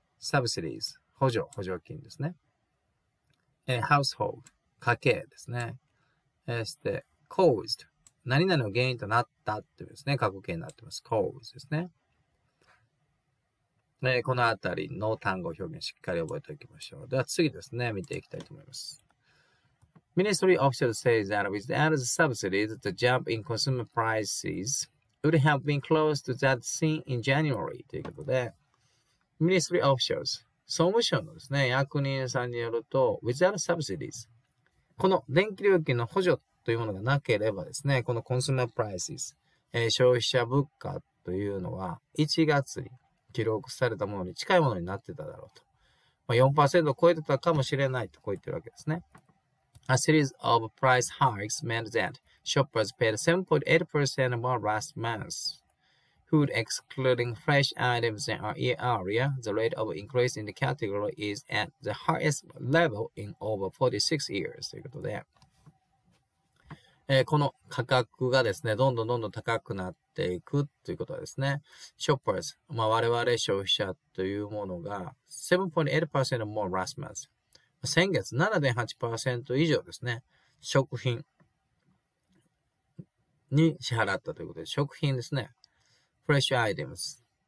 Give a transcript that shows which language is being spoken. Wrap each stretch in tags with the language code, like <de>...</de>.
<ja>サブシディーズ、補助金ですね。ハウスホール、家計ですね。そして、コーズ、何々の原因となったというですね、過去形になってます。コーズですね。このあたりの単語表現しっかり覚えておきましょう。では次ですね、見ていきたいと思います。</ja> <en>Ministry officials say that without the subsidies, the jump in consumer prices would have been close to that seen in January.</en> <ja>ということで、</ja> <en>Ministry officials、</en> <ja>総務省のですね、役人さんによると、</ja> <en>without subsidies、</en> <ja>この電気料金の補助というものがなければですね、この</ja> <en>consumer prices、</en> <ja>消費者物価というのは、1月に記録されたものに近いものになってただろうと。まあ、4% を超えてたかもしれないと、こう言ってるわけですね。</ja> <en>A series of price hikes meant that shoppers paid 7.8% more last month. Food excluding fresh items than a year earlier, the rate of increase in the category is at the highest level in over 46 years.</en> <ja>ということで、この価格がですね、どんどん高くなっていくということですね。 Shoppers、まあ、我々消費者というものが 7.8%</ja> <en>more last month。</en> <ja>先月 7.8% 以上ですね、食品に支払ったということで、食品ですね、フレッシュアイテムス。</ja>